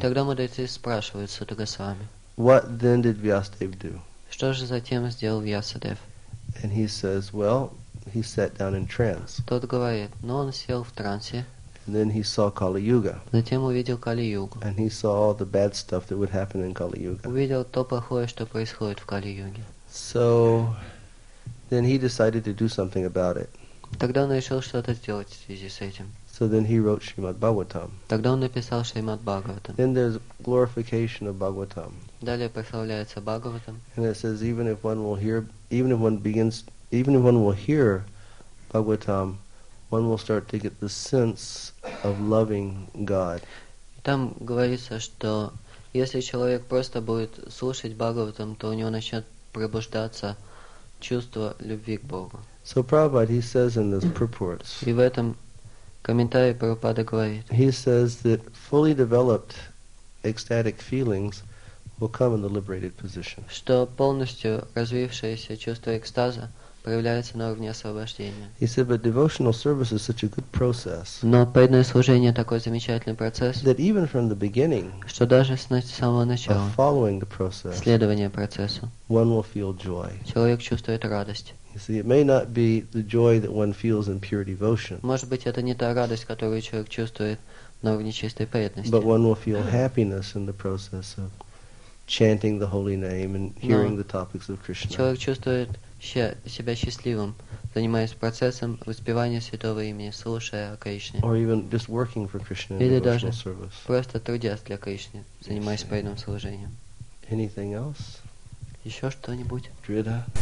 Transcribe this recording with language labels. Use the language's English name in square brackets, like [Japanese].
[Russian] Тогда мудрецы спрашивают Сута Госвами. [English] What then did Vyasadeva do? [Russian] Что же затем сделал Вьясадев? [English] And he says, well, he sat down in trance. [Russian] Тот говорит, но он сел в трансе. [English] And then he saw Kali Yuga. [Russian] Затем увидел Кали Югу. [English] And he saw all the bad stuff that would happen in Kali Yuga. [Russian] Увидел то плохое, что происходит в Кали Юге. [English] So then he decided to do something about it. [Russian] Тогда он решил что-то сделать в связи с этим. [English] So then he wrote Shrimad Bhagavatam. [Russian] Тогда он написал Шримад Бхагаватам. [English] Then there's glorification of Bhagavatam. [Russian] Далее прославляется Бхагаватам. [English] And it says even if one will hear Bhagavatam, one will start to get the sense of loving God. [Russian] Там говорится, что если человек просто будет слушать Бхагаватам, то у него начнет пробуждаться чувство любви к Богу. [English] So Prabhupada, he says in those purports, [Russian] и в этом комментарии Прабхупада говорит, [English] he says that fully developed ecstatic feelings will come in the liberated position. [Russian] Что полностью развившееся чувство экстаза проявляется на уровне освобождения. [English] He said, but devotional service is such a good process. [Russian] Но преданное служение такой замечательный процесс. [English] That even from the beginning, [Russian] что даже с самого начала, [English] of following the process, [Russian] следование процессу, [English] one will feel joy. [Russian] Человек чувствует радость. [English] You see, it may not be the joy that one feels in pure devotion. [Russian] Может быть, это не та радость, которую человек чувствует на уровне чистой преданности. [English] But one will feel happiness in the process of chanting the holy name and hearing the topics of Krishna. [Russian] Человек чувствует себя счастливым, занимаясь процессом воспевания святого имени, слушая о Кришне. [English] Or even just working for Krishna in devotional service. [Russian] Или даже просто трудясь для Кришны, занимаясь преданным служением. [English] Anything else? [Russian] Еще что-нибудь? Дрида.